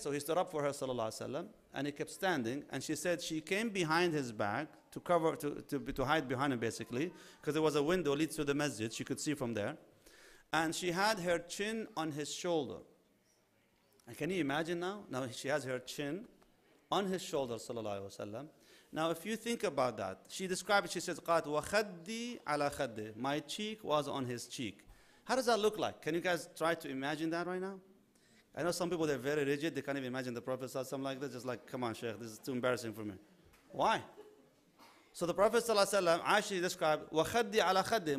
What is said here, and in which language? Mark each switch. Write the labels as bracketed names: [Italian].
[English] So he stood up for her, sallallahu alayhi wa sallam, and he kept standing. And she said she came behind his back to hide behind him, basically, because there was a window leads to the masjid. She could see from there. And she had her chin on his shoulder. And can you imagine now? Now she has her chin on his shoulder, sallallahu alayhi wa sallam. Now if you think about that, she described it. She says, [Arabic] قَاتْ وَخَدِّي عَلَى خَدِّي. [English] My cheek was on his cheek. How does that look like? Can you guys try to imagine that right now? I know some people, they're very rigid. They can't even imagine the Prophet said something like this. Just like, come on, Sheikh, this is too embarrassing for me. Why? So the Prophet actually described, [Arabic] وَخَدِّي عَلَى خَدِّي.